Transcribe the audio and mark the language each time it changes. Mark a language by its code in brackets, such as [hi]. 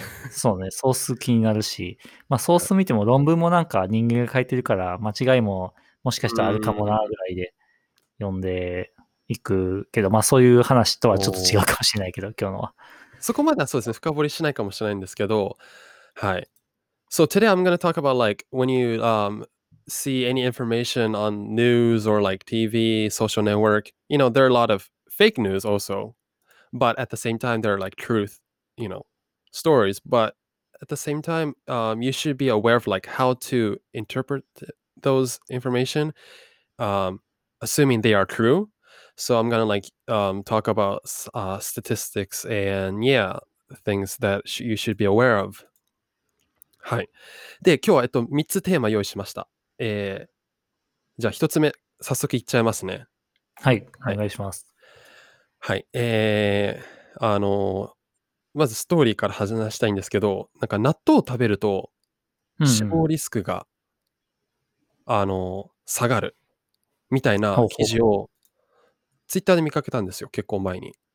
[ja] そうね、ソース気になるし、まあソース見ても論文もなんか人間が書いてるから間違いももしかしたらあるかもなぐらいで読んでいくけど、まあそういう話とはちょっと違うかもしれないけど、今日のは。そこまではそうですね、深掘りしないかもしれないんですけど、はい。 [en] So today I'm going to talk about like when you see any information on news or like TV, social network, you know, there are a lot of fake news also, but at the same time, there are like truth, you know, stories, but at the same time, you should be aware of like how to interpret those information, assuming they are true. So I'm going to like talk about statistics and yeah, things that you should be aware of. [ja] はい。で、今日は3つテーマ用意しました。じゃあ1つ目、早速いっちゃいますね。はい、はい、お願いします。はい。まずストーリーから話したいんですけど、なんか納豆を食べると死亡リスクが、うん、下がるみたいな記事をツイッターで見かけたんですよ、結構前に。